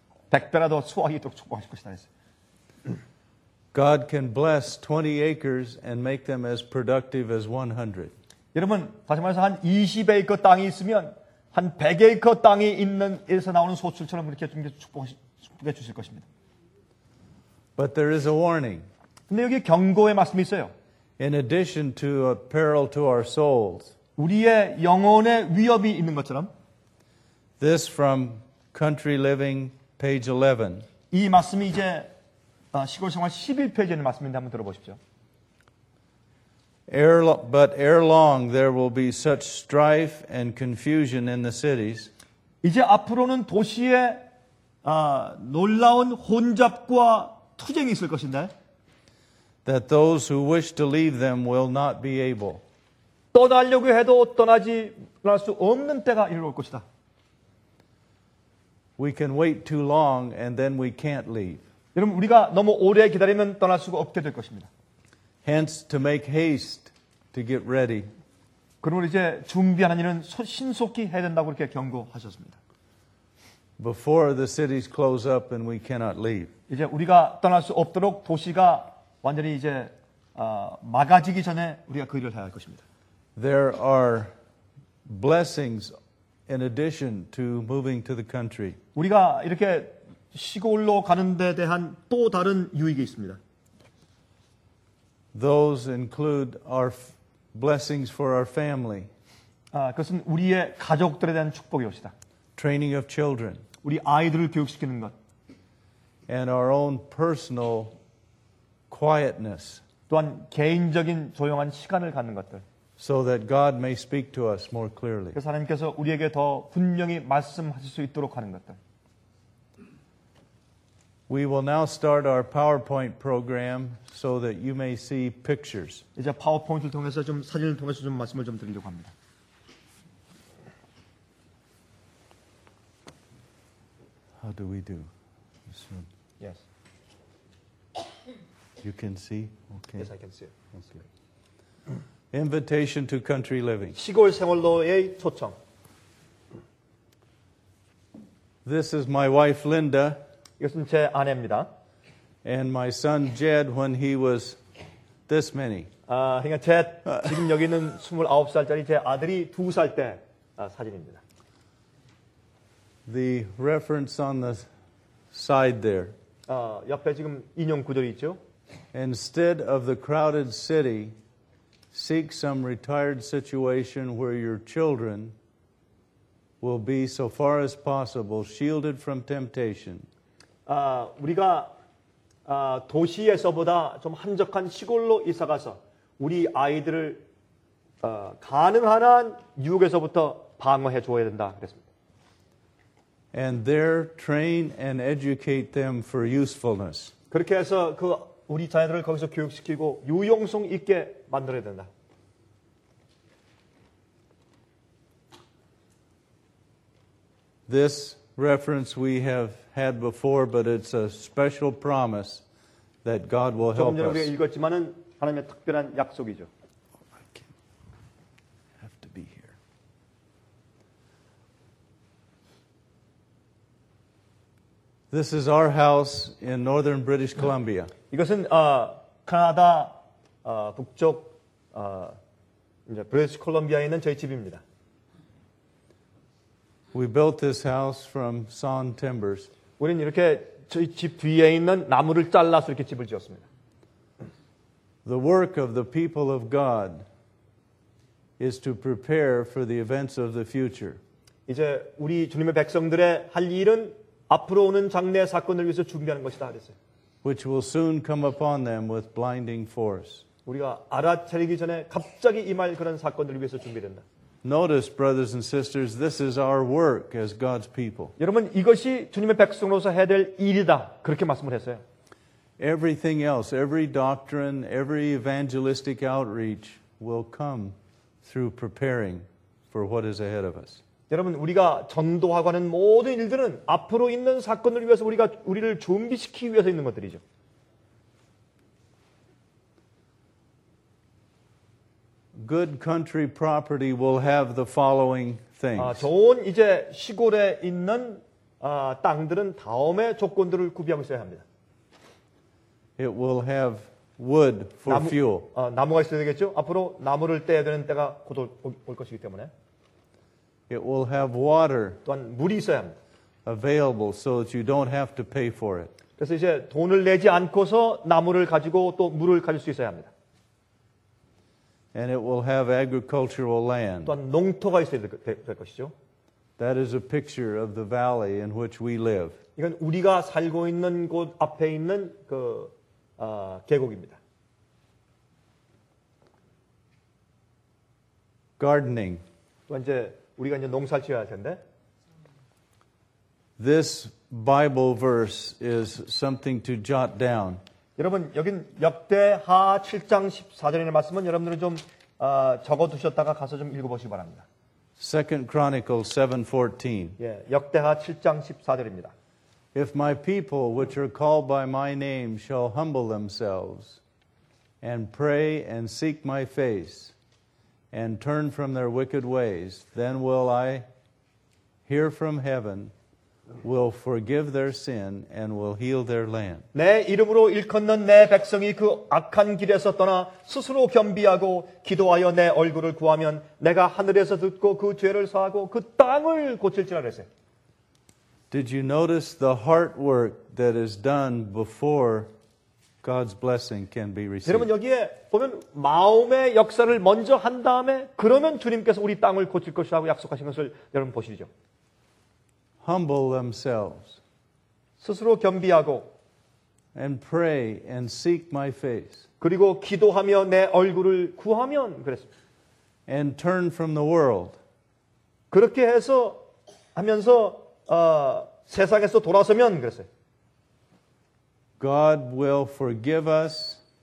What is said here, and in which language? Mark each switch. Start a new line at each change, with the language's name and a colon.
Korean: 100배나 더 수확이 있도록 축복하실 것이다.
English: God can bless 20 acres and make them as productive as 100.
Korean: 여러분, 다시 말해서 한 20에이커 땅이 있으면 한 100에이커 땅이 있는 일에서 나오는 소출처럼 그렇게 좀 축복해 주실 것입니다.
English: But there is a warning.
Korean: 근데 여기 경고의 말씀이 있어요.
English: In addition to a peril to our souls.
Korean: 우리의 영혼에 위협이 있는 것처럼.
English: This from Country Living, page 11.
Korean: 이 말씀이 이제 시골생활 11페이지의 말씀인데 한번 들어보십시오.
English: But ere long there will be such strife and confusion in the cities.
Korean: 이제 앞으로는 도시에 놀라운 혼잡과 투쟁이 있을 것인데.
English: That those who wish to leave them will not be able.
Korean: 떠나려고 해도 떠나지 않을 수 없는 때가 이르러올 것이다.
English: We can wait too long and then we can't leave.
Korean: 여러분, 우리가 너무 오래 기다리면 떠날 수가 없게 될 것입니다.
English: Hence, to make haste to get ready.
Korean: 그러므로 이제 준비하는 일은 신속히 해야 된다고 이렇게 경고하셨습니다.
English: Before the cities close up and we cannot leave.
Korean: 이제 우리가 떠날 수 없도록 도시가 완전히 이제 막아지기 전에 우리가 그 일을 해야 할 것입니다.
English: There are blessings in addition to moving to the country.
Korean: 우리가 이렇게 시골로 가는 데 대한 또 다른 유익이 있습니다.
English: Those include our blessings for our family.
Korean: 그것은 우리의 가족들에 대한 축복이 옵니다.
English: Training of children.
Korean: 우리 아이들을 교육시키는 것.
English: And our own personal quietness.
Korean: 또한 개인적인 조용한 시간을 갖는 것들.
English: So that God may speak to us more clearly.
Korean: 그래서 하나님께서 우리에게 더 분명히 말씀하실 수 있도록 하는 것들.
English: We will now start our PowerPoint program so that you may see pictures.
Korean: 이제 PowerPoint을 통해서 좀 사진을 통해서 좀 말씀을 좀 드리려고 합니다.
English: How do we do this one? Yes. You can see? Okay. Yes, I can see it. Okay. Invitation to country living.
Korean: 시골 생활로의 초청.
English: This is my wife Linda.
Korean: 이것은 제 아내입니다.
English: And my son Jed when he was this many.
Korean: 그러니까 Jed 지금 여기 있는 29살짜리 제 아들이 2살 때 사진입니다.
English: The reference on the side there.
Korean: 옆에 지금 인용 구절이 있죠.
English: Instead of the crowded city, seek some retired situation where your children will be so far as possible shielded from temptation.
Korean: 우리가 도시에서보다 좀 한적한 시골로 이사 가서 우리 아이들을 가능한 한 유혹에서부터 방어해 줘야 된다 그랬습니다.
English: And there train and educate them for usefulness.
Korean: 그렇게 해서 그 우리 자녀들을 거기서 교육시키고 유용성 있게 만들어야 된다.
English: This reference we have had before, but it's a special promise that God will help us.
Korean: 조금 전에 우리가 읽었지만은 하나님의 특별한 약속이죠.
English: I can't have to be here. This is our house in northern British Columbia.
Korean: 이것은 캐나다 북쪽 이제 브리티시 콜롬비아에 있는 저희 집입니다.
English: We built this house from sawn timbers.
Korean: 우리는 이렇게 저희 집 뒤에 있는 나무를 잘라서 이렇게 집을 지었습니다.
English: The work of the people of God is to prepare for the events of the future.
Korean: 이제 우리 주님의 백성들의 할 일은 앞으로 오는 장래 사건을 위해서 준비하는 것이다 그랬어요.
English: Which will soon come upon them with blinding force.
Korean: 우리가 알아차리기 전에 갑자기 임할 그런 사건들을 위해서 준비된다.
English: Notice, brothers and sisters, this is our work as God's people.
Korean: 여러분 이것이 주님의 백성으로서 해야 될 일이다. 그렇게 말씀을 했어요.
English: Everything else, every doctrine, every evangelistic outreach will come through preparing for what is ahead of us.
Korean: 여러분 우리가 전도하고 하는 모든 일들은 앞으로 있는 사건을 위해서 우리가 우리를 준비시키기 위해서 있는 것들이죠.
English: Good country property will have the following things.
Korean: 좋은 이제 시골에 있는 땅들은 다음의 조건들을 구비하고 있어야 합니다.
English: It will have wood for
Korean: 나무,
English: fuel.
Korean: 나무가 있어야 되겠죠. 앞으로 나무를 떼야 되는 때가 곧 올 것이기 때문에.
English: It will have water.
Korean: 또한 물이 있어야 합니다.
English: Available so that you don't have to pay for it.
Korean: 그래서 이제 돈을 내지 않고서 나무를 가지고 또 물을 가질 수 있어야 합니다.
English: And it will have agricultural land.
Korean: 또한 농토가 있어야 될 것이죠.
English: That is a picture of the valley in which we live.
Korean: 이건 우리가 살고 있는 곳 앞에 있는 그 계곡입니다.
English: Gardening.
Korean: 또한 이제 우리가 이제 농사를 지어야 할 텐데.
English: This Bible verse is something to jot down.
Korean: 여러분 여긴 역대하 7장 14절의 말씀은 여러분들은 좀 적어두셨다가 가서 좀 읽어보시기 바랍니다.
English: 2 Chronicles 7:14.
Korean: 예, 역대하 7장 14절입니다.
English: If my people which are called by my name shall humble themselves and pray and seek my face and turn from their wicked ways, then will I hear from heaven, will forgive their sin and will heal their land.
Korean: 내 이름으로 일컫는 내 백성이 그 악한 길에서 떠나 스스로 겸비하고 기도하여 내 얼굴을 구하면 내가 하늘에서 듣고 그 죄를 사하고 그 땅을 고칠지라 그랬어요.
English: Did you notice the heart work that is done before God's blessing can be received?
Korean: 여러분 여기에 보면 마음의 역사를 먼저 한 다음에 그러면 주님께서 우리 땅을 고칠 것이라고 약속하신 것을 여러분 보시죠.
English: Humble themselves.
Korean: 스스로 겸비하고.
English: And pray and seek my face.
Korean: 그리고 기도하며 내 얼굴을 구하면 그랬습니다.
English: And turn from the world.
Korean: 그렇게 해서 하면서 세상에서 돌아서면 그랬어요.
English: God will forgive us.